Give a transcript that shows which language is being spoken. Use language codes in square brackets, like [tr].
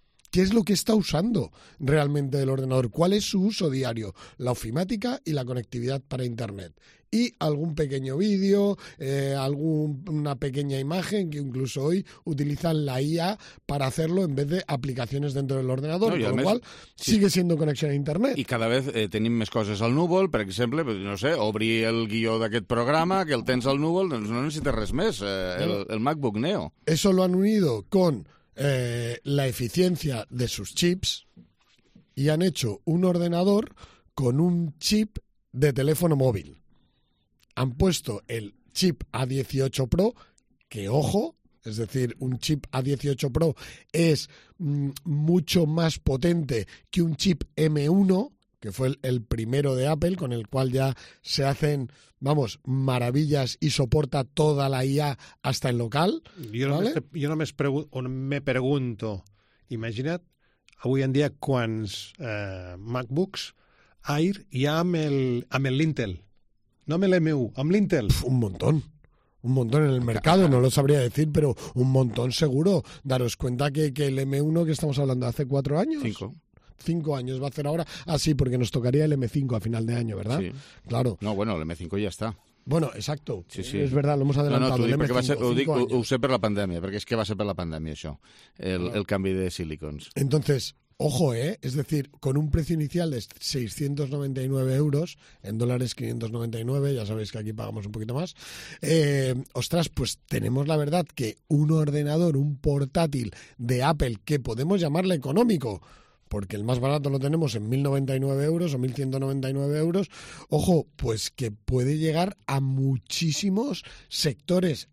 [es] ¿Qué es lo que está usando realmente el ordenador? ¿Cuál es su uso diario? La ofimática y la conectividad para Internet. Y algún pequeño vídeo, alguna pequeña imagen, que incluso hoy utilizan la IA para hacerlo en vez de aplicaciones dentro del ordenador, no, con lo cual sigue siendo conexión a Internet. [ca] I cada vez tenim més coses al núvol, per exemple, no sé, obrir el guió d'aquest programa, que el tens al núvol, doncs no necessites res més, el MacBook Neo. [es] Eso lo han unido con la eficiencia de sus chips y han hecho un ordenador con un chip de teléfono móvil. Han puesto el chip A18 Pro, que ojo, es decir, un chip A18 Pro es mucho más potente que un chip M1, que fue el primero de Apple, con el cual ya se hacen, vamos, maravillas y soporta toda la IA hasta el local. Yo no, ¿vale? me pregunto, [ca] imagina't, avui en dia quants MacBooks Air hi ha amb el Intel. No me le meu, amb l'Intel. [es] Un montón en el mercado, no lo sabría decir, pero un montón seguro. Daros cuenta que el M1 que estamos hablando hace 4 años. Cinco años va a hacer ahora. Ah, sí, porque nos tocaría el M5 a final de año, ¿verdad? Sí. Claro. No, bueno, el M5 ya está. Bueno, exacto. Sí, sí. Es verdad, lo hemos adelantado. No, usé per la pandemia, porque es que va a ser [ca] per la pandemia això, el canvi de silicons. [es] Entonces, ojo, es decir, con un precio inicial de 699 euros, en dólares 599, ya sabéis que aquí pagamos un poquito más, ostras, pues tenemos la verdad que un ordenador, un portátil de Apple, que podemos llamarle económico, porque el más barato lo tenemos en 1099 euros o 1199 euros, ojo, pues que puede llegar a muchísimos sectores.